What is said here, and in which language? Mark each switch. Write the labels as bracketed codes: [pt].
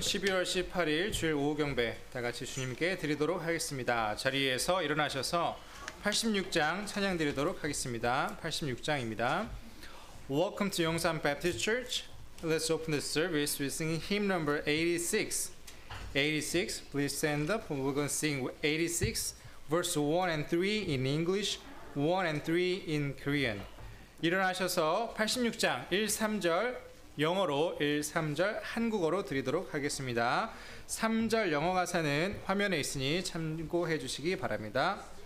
[ko] 12월 18일 주일 오후 경배 다 같이 주님께 드리도록 하겠습니다. 자리에서 일어나셔서 86장 찬양 드리도록 하겠습니다. 86장입니다. [en] Welcome to Yongsan Baptist Church. Let's open the service with singing hymn number 86. 86, please stand up. We're going to sing 86, verse 1 and 3 in English, 1 and 3 in Korean. [ko] 일어나셔서 86장 1, 3절 영어로 1, 3절 한국어로 드리도록 하겠습니다. 3절 영어 가사는 화면에 있으니 참고해 주시기 바랍니다.